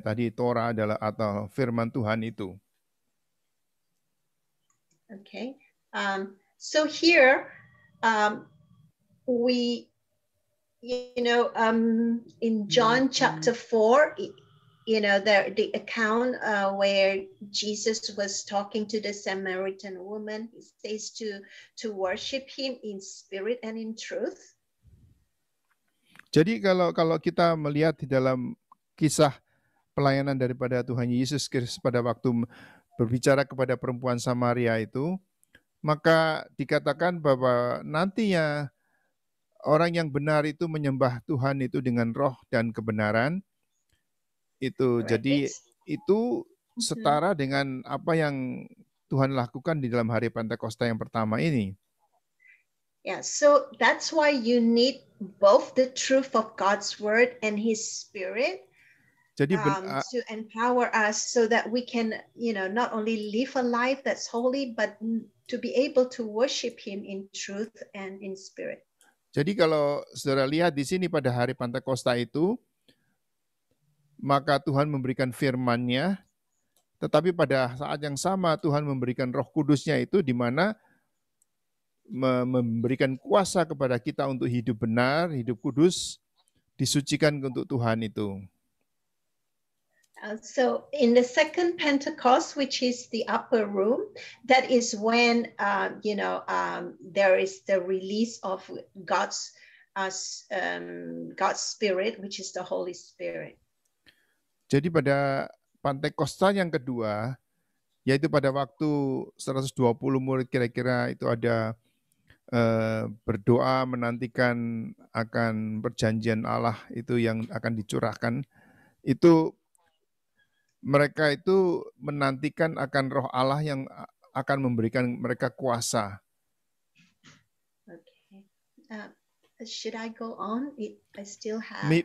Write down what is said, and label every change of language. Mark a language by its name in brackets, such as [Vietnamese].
[Indonesian] Tadi Torah adalah atau firman Tuhan itu. [English] Okay, so here we, you know, in John chapter 4, you know, the account where Jesus was talking to the Samaritan woman, he says to worship Him in spirit and in truth. [Indonesian] Jadi kalau kita melihat di dalam kisah pelayanan daripada Tuhan Yesus Kristus pada waktu berbicara kepada perempuan Samaria itu, maka dikatakan bahwa nantinya orang yang benar itu menyembah Tuhan itu dengan roh dan kebenaran. Itu jadi itu setara dengan apa yang Tuhan lakukan di dalam hari Pentakosta yang pertama ini. [English] Yeah, so that's why you need both the truth of God's word and His spirit. [Indonesian] Jadi [English] to empower us so that we can, you know, not only live a life that's holy, but to be able to worship Him in truth and in spirit. [Indonesian] Jadi kalau saudara lihat di sini pada hari Pentakosta itu, maka Tuhan memberikan firman-Nya, tetapi pada saat yang sama Tuhan memberikan Roh Kudus-Nya itu, di mana memberikan kuasa kepada kita untuk hidup benar, hidup kudus, disucikan untuk Tuhan itu. [English] So in the second Pentecost, which is the upper room, that is when you know, there is the release of God's spirit, which is the Holy Spirit. [Indonesian] Jadi pada Pentecost yang kedua, yaitu pada waktu 120 murid kira-kira itu ada berdoa menantikan akan perjanjian Allah itu yang akan dicurahkan, itu mereka itu menantikan akan Roh Allah yang akan memberikan mereka kuasa. [English] Okay. Should I go on? I still have